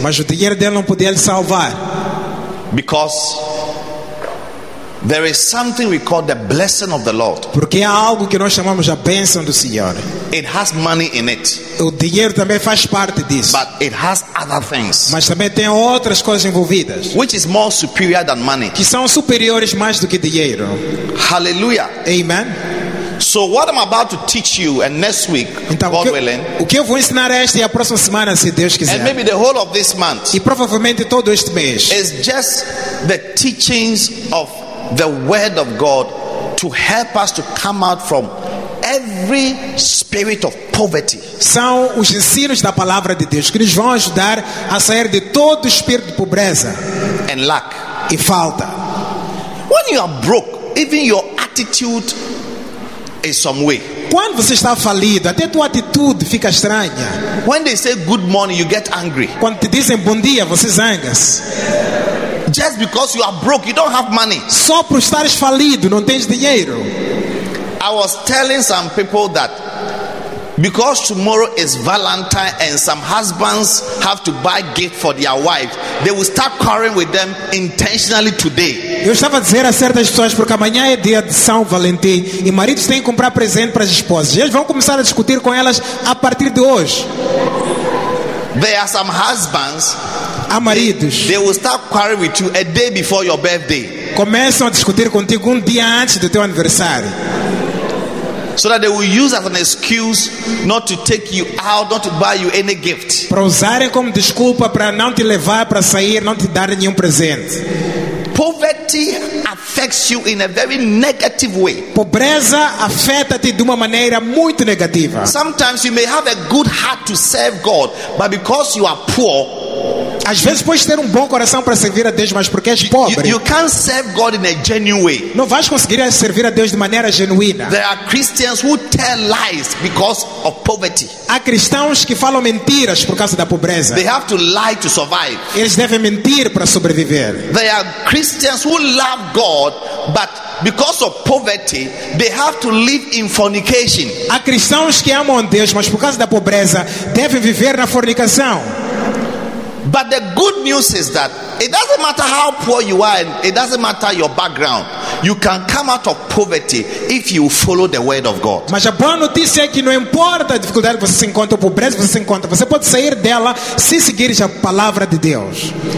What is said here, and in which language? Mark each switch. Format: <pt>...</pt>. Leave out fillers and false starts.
<pt>Mas o dinheiro dele não podia lhe salvar.</pt> <en>Because there is something we call the blessing of the Lord.</en> <pt>Porque há algo que nós chamamos a bênção do Senhor.</pt> <en>It has money in it.</en> <pt>O dinheiro também faz parte disso.</pt> <en>But it has other things.</en> <pt>Mas também tem outras coisas envolvidas.</pt> <en>Which is more superior than money.</en> <pt>Que são superiores mais do que dinheiro.</pt> <en>Hallelujah.</en> <pt>Amen.</pt> <en>So what I'm about to teach you, and next week,</en> <pt>então,</pt> <en>God willing,</en> <pt>o que eu vou ensinar esta e a próxima semana, se Deus quiser,</pt> <en>and maybe the whole of this month,</en> <pt>e provavelmente todo este mês,</pt> <en>is just the teachings of the Word of God to help us to come out from every spirit of poverty.</en> <pt>São os ensinos da palavra de Deus que nos vão ajudar a sair de todo o espírito de pobreza,</pt> <en>and lack,</en> <pt>e falta.</pt> <en>When you are broke, even your attitude in some way.</en> <pt>Quando você está falido, até tua atitude fica estranha.</pt> <en>When they say good morning, you get angry.</en> <pt>Quando te dizem bom dia, você zanga.</pt> <en>Just because you are broke, you don't have money.</en> <pt>Só por estares falido, não tens dinheiro.</pt> <en>I was telling some people that because tomorrow is Valentine and some husbands have to buy gift for their wife, they will start quarreling with them intentionally today.</en> <pt>Eu estava a dizer a certas pessoas, porque amanhã é dia de São Valentim e maridos têm que comprar presente para as esposas. Eles vão começar a discutir com elas a partir de hoje.</pt> <en>There are some husbands,</en> <pt>há maridos,</pt> <en>they will start quarreling with you a day before your birthday.</en> <pt>Começam a discutir contigo dia antes do teu aniversário.</pt> <en>So that they will use as an excuse not to take you out, not to buy you any gift.</en> <pt>Para usarem como desculpa para não te levar para sair, não te dar nenhum presente.</pt> <en>Poverty affects you in a very negative way.</en> <pt>Pobreza afeta-te de uma maneira muito negativa.</pt> <en>Sometimes you may have a good heart to serve God, but because you are poor,</en> <pt>às vezes podes ter bom coração para servir a Deus, mas porque és pobre.</pt> <en>You can't serve God in a genuine way.</en> <pt>Não vais conseguir servir a Deus de maneira genuína.</pt> <en>There are Christians who tell lies because of poverty.</en> <pt>Há cristãos que falam mentiras por causa da pobreza.</pt> <en>They have to lie to survive.</en> <pt>Eles devem mentir para sobreviver.</pt> <en>There are Christians who love God, but because of poverty, they have to live in fornication.</en> <pt>Há cristãos que amam Deus, mas por causa da pobreza, devem viver na fornicação.</pt> <en>But the good news is that it doesn't matter how poor you are, and it doesn't matter your background. You can come out of poverty if you follow the word of God.</en> <pt>Mas a boa notícia é que não importa a dificuldade que você se encontra, ou pobreza que você se encontra, você pode sair dela se seguir a palavra de Deus.</pt>